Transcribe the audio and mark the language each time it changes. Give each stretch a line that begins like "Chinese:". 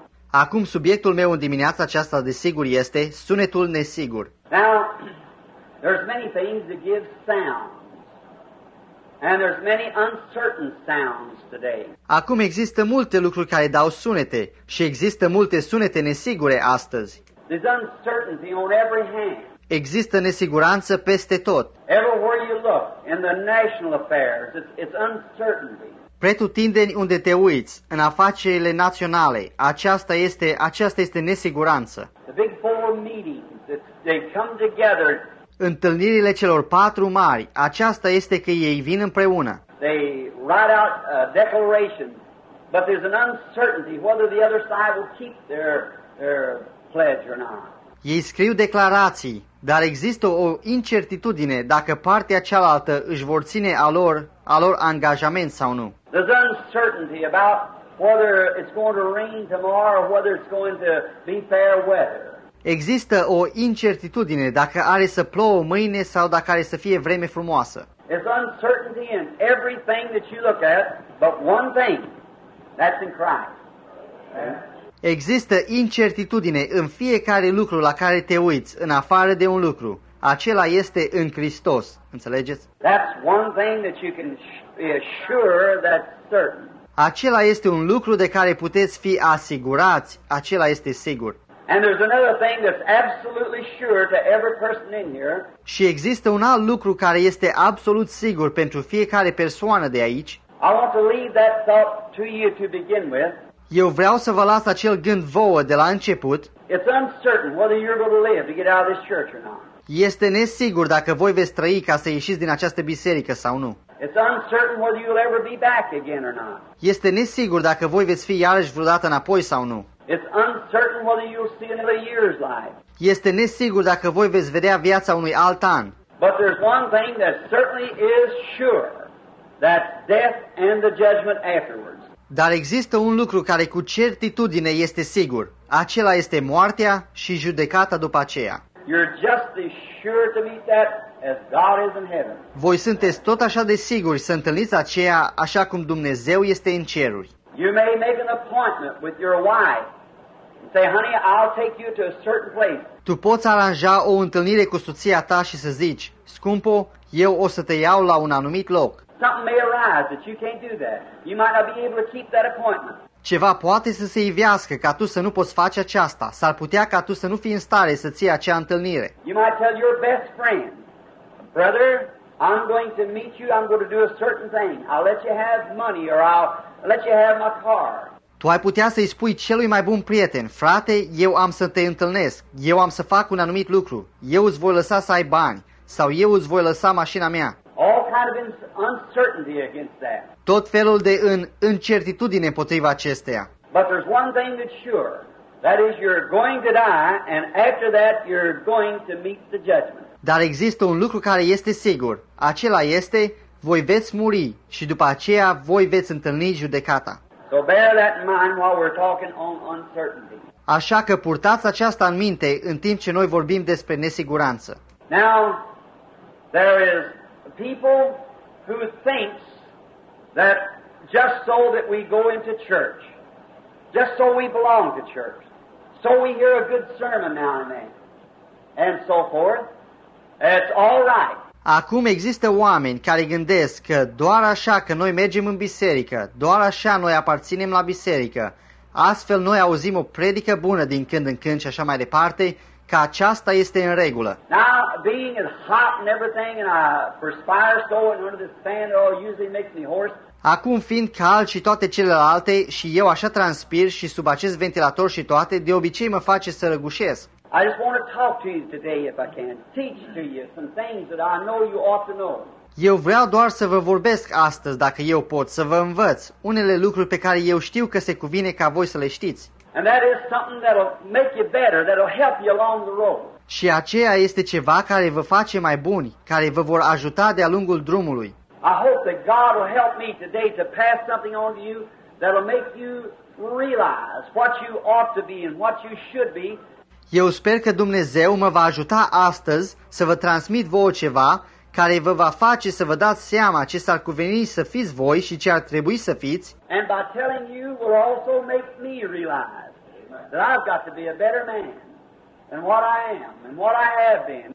Romanian: Acum subiectul meu în dimineața aceasta, desigur, este sunetul nesigur.
English: Now, there's many things that give sound. And there's many uncertain sounds today.
Romanian: Acum există multe lucruri care dau sunete și există multe sunete nesigure astăzi.
English: There's uncertainty on every hand.
Romanian: Există nesiguranță peste tot.
English: Everywhere you look in the national affairs, it's uncertainty.
Romanian: Pretutindeni unde te uiți, în afacerile naționale, aceasta este nesiguranță.
English: The big four meetings, they come together.
Romanian: Întâlnirile celor patru mari, aceasta este că ei vin împreună.
English: They write out a declaration, but there's an uncertainty whether the other side will keep their pledge or not.
Romanian: Ei scriu declarații, dar există o incertitudine dacă partea cealaltă își vor ține a lor angajament sau nu.
English: There's uncertainty about whether it's going to rain tomorrow or whether it's going to be fair weather.
Romanian: Există o incertitudine dacă are să plouă mâine sau dacă are să fie vreme frumoasă.
English: There's uncertainty in everything that you look at, but one thing, that's in Christ.
Romanian: Există incertitudine în fiecare lucru la care te uiți, în afară de un lucru. Acela este în Hristos. Înțelegeți?
English: That's one thing that you can be sure that's certain.
Romanian: Acela este un lucru de care puteți fi asigurați. Acela este sigur.
English: And there's another thing that's absolutely sure to every person in here.
Romanian: Și există un alt lucru care este absolut sigur pentru fiecare persoană de aici.
English: I want to leave that thought to you to begin with.
Romanian: Eu vreau să vă las acel gând vouă de la început.
English: It's uncertain whether you're going to live to get out of this church or not.
Romanian: Este nesigur dacă voi veți trăi ca să ieșiți din această biserică sau nu.
English: It's uncertain whether you'll ever be back again or not.
Romanian: Este nesigur dacă voi veți fi iarăși vreodată înapoi sau nu.
English: It's uncertain whether you'll see another year's life.
Romanian: Este nesigur dacă voi veți vedea viața unui alt an.
English: But there's one thing that certainly is sure, that's death and the judgment afterwards.
Romanian: Dar există un lucru care cu certitudine este sigur. Acela este moartea și judecata după aceea.
English: You're just as sure to meet that as God is in heaven.
Romanian: Voi sunteți tot așa de siguri să întâlniți aceea așa cum Dumnezeu este în ceruri.
English: You may make an appointment with your wife and say, honey, I'll take you to a certain place.
Romanian: Tu poți aranja o întâlnire cu soția ta și să zici, scumpo, eu o să te iau la un anumit loc.
English: Something may arise that you can't do that. You might not be able to keep that appointment.
Romanian: Ceva poate să se ivească ca tu să nu poți face aceasta. S-ar putea ca tu să nu fii în stare să ții acea întâlnire.
English: You might tell your best friend, brother, I'm going to meet you, I'm going to do a certain thing. I'll let you have money or I'll let you have my car.
Romanian: Tu ai putea să-i spui celui mai bun prieten, frate, eu am să te întâlnesc, eu am să fac un anumit lucru, eu îți voi lăsa să ai bani sau eu îți voi lăsa mașina mea.
English: All kind of uncertainty against that.
Romanian: Tot felul de incertitudine împotriva acesteia.
English: But there's one thing that's sure. That is you're going to die and after that you're going to meet the judgment.
Romanian: Dar există un lucru care este sigur. Acela este, voi veți muri și după aceea voi veți întâlni judecata.
English: So bear that in mind while we're talking on uncertainty.
Romanian: Așa că purtați aceasta în minte în timp ce noi vorbim despre nesiguranță.
English: Now, there is people who thinks that just so that we go into church, just so we belong to church, so we hear a good sermon now and then, and so forth, it's all right.
Romanian: Acum există oameni care gândesc că doar așa că noi mergem în biserică, doar așa noi aparținem la biserică, astfel noi auzim o predică bună din când în când și așa mai departe, că aceasta este în regulă.
English: Now, being as hot and everything and I perspire so and under this fan it all usually makes me hoarse.
Romanian: Acum fiind cald și toate celelalte și eu așa transpir și sub acest ventilator și toate, de obicei mă face să răgușesc.
English: I just want to talk to you today if I can, teach to you some things that I know you ought to know.
Romanian: Eu vreau doar să vă vorbesc astăzi, dacă eu pot, să vă învăț unele lucruri pe care eu știu că se cuvine ca voi să le știți.
English: And that is something that'll make you better, that'll help you along the road.
Romanian: Și aceea este ceva care vă face mai buni, care vă vor ajuta de-a lungul drumului.
English: I hope that God will help me today to pass something on to you that'll make you realize what you ought to be and what you should be.
Romanian: Eu sper că Dumnezeu mă va ajuta astăzi să vă transmit vouă ceva care vă va face să vă dați seama ce s-ar cuveni să fiți voi și ce ar trebui să fiți.
English: And by telling you will also make me realize that I've got to be a better man and what I am and what I have been.